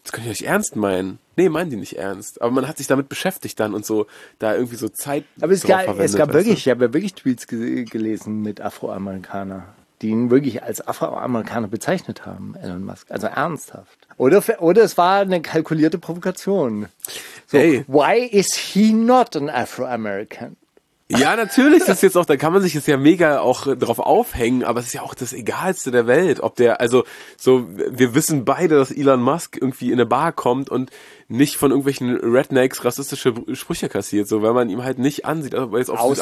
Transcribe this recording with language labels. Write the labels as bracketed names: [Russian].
[German] Das kann ich nicht ernst meinen. Nee, meinen die nicht ernst. Aber man hat sich damit beschäftigt dann und so, da irgendwie so Zeit drauf verwendet. Aber ich habe wirklich Tweets gelesen mit Afroamerikaner, die ihn wirklich als Afroamerikaner bezeichnet haben, Elon Musk. Also ernsthaft. Oder es war eine kalkulierte Provokation. So, hey. [English] Why is he not an Afroamerican? [German] Ja, natürlich, das ist jetzt auch, da kann man sich jetzt ja mega auch drauf aufhängen, aber es ist ja auch das Egalste der Welt, ob der, also so, wir wissen beide, dass Elon Musk irgendwie in eine Bar kommt und nicht von irgendwelchen Rednecks rassistische Sprüche kassiert, so, weil man ihm halt nicht ansieht, also, weil jetzt auf Südafrika.